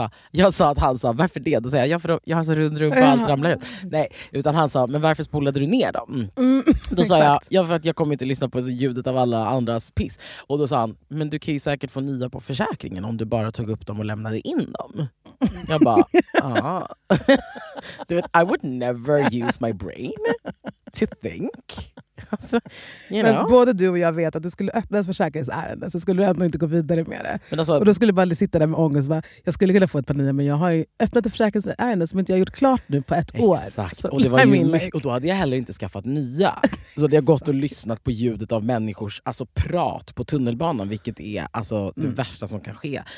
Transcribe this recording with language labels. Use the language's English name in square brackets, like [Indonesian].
[Swedish] Jag sa att han sa, varför det? Då säger jag, för jag har så rund rumpa och allt ramlar ut. Nej, utan han sa, men varför spolade du ner dem? Då sa jag, ja, för att jag kommer inte lyssna på ljudet av alla andras piss. Och då sa han, men du kan ju säkert få nya på försäkringen om du bara tog upp dem och lämnade in dem. Jag bara, ja. Du vet, [English] I would never use my brain to think. [Swedish] Alltså, men både du och jag vet att du skulle öppna ett försäkringsärende, så skulle du ändå inte gå vidare med det. Alltså, och då skulle du bara sitta där med ångest och bara, jag skulle kunna få ett par nya, men jag har ju öppnat ett försäkringsärende som inte jag har gjort klart nu på ett år. Exakt. Och det var ju, och då hade jag heller inte skaffat nya. Så det har gått och lyssnat på ljudet av människors alltså prat på tunnelbanan, vilket är alltså det värsta som kan ske.